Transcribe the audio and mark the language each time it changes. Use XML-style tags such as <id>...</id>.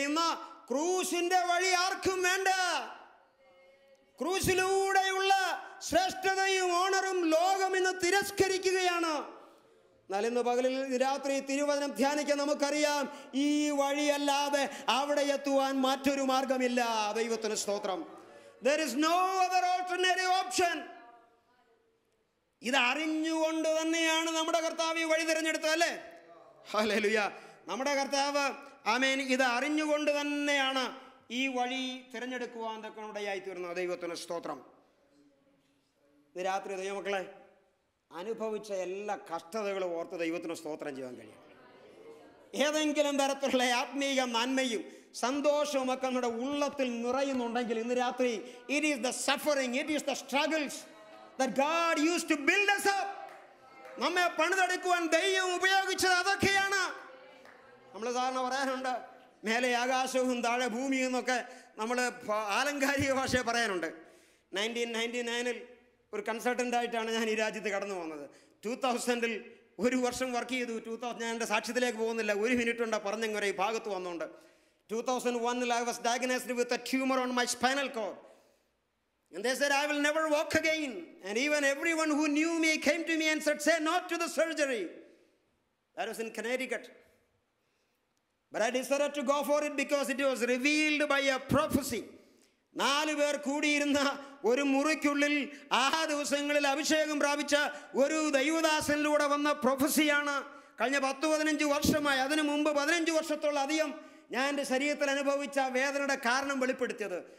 <ml>ഇന്ന് ക്രൂശിൻ്റെ വഴി ആർക്കും വേണ്ട. ക്രൂശിലൂടെയുള്ള ശ്രേഷ്ഠതയും ഓണറും ലോകം ഇന്ന് തിരസ്കരിക്കുകയാണ്. എന്നാൽ ഇന്ന് പകലിൽ രാത്രി തിരുവചനം ധ്യാനിക്കാൻ നമുക്കറിയാം, ഈ വഴിയല്ലാതെ അവിടെ എത്തുവാൻ മറ്റൊരു മാർഗമില്ല. ദൈവത്തിന് സ്തോത്രം.</ml> <en>There is no other alternative option.</en> <ml>ഇതറിഞ്ഞുകൊണ്ട് തന്നെയാണ് നമ്മുടെ കർത്താവ് ഈ വഴി തിരഞ്ഞെടുത്തത് അല്ലേ. ഹല്ലേലൂയ. നമ്മുടെ കർത്താവ് ആമേൻ. ഇത് അറിഞ്ഞുകൊണ്ട് തന്നെയാണ് ഈ വഴി തിരഞ്ഞെടുക്കുവാൻ തക്കനുടയായി തീർന്നത്. ദൈവത്തിന് സ്തോത്രം. രാത്രി ദൈവമക്കളെ അനുഭവിച്ച എല്ലാ കഷ്ടതകളും ഓർത്ത് ദൈവത്തിന് സ്തോത്രം ചെയ്യാൻ കഴിയും. ഏതെങ്കിലും തരത്തിലുള്ള ആത്മീയ നന്മയും സന്തോഷവും ഒക്കെ നമ്മുടെ ഉള്ളത്തിൽ നിറയുന്നുണ്ടെങ്കിൽ ഇന്ന് രാത്രി</ml> <en>It is the suffering, it is the struggles that God use to build us up.</en> <ml>നമ്മെ പണിതെടുക്കുവാൻ ദൈവം ഉപയോഗിച്ചത് അതൊക്കെയാണ്. നമ്മൾ സാധാരണ പറയാനുണ്ട് മേലെ ആകാശവും താഴെ ഭൂമിയും എന്നൊക്കെ നമ്മൾ ആലങ്കാരിക ഭാഷയെ പറയാനുണ്ട്. 1999 ഒരു കൺസൾട്ടൻ്റായിട്ടാണ് ഞാൻ ഈ രാജ്യത്ത് കടന്നു പോകുന്നത്. 2000 ഒരു വർഷം വർക്ക് ചെയ്തു. 2000 ഞാൻ എൻ്റെ സാക്ഷ്യത്തിലേക്ക് പോകുന്നില്ല, ഒരു മിനിറ്റ് ഉണ്ട് പറഞ്ഞെങ്കിൽ ഒരു ഭാഗത്ത് വന്നുകൊണ്ട്.</ml> <en>2001 I was diagnosed with a tumour on my spinal cord. And they said, I will never walk again. And even everyone who knew me came to me and said, say not to the surgery. That was in Connecticut. But I decided to go for it because it was revealed by a prophecy.</en> <ml>നാല് പേർ കൂടിയിരുന്ന ഒരു മുറിക്കുള്ളിൽ ആ ദിവസങ്ങളിൽ അഭിഷേകം പ്രാപിച്ച ഒരു ദൈവദാസനിലൂടെ വന്ന പ്രൊഫസിയാണ്. കഴിഞ്ഞ 10-15 വർഷമായി, അതിനു മുമ്പ് 15 വർഷത്തോളം അധികം ഞാൻ എൻ്റെ ശരീരത്തിൽ അനുഭവിച്ച വേദനയുടെ കാരണം വെളിപ്പെടുത്തിയത്.</ml>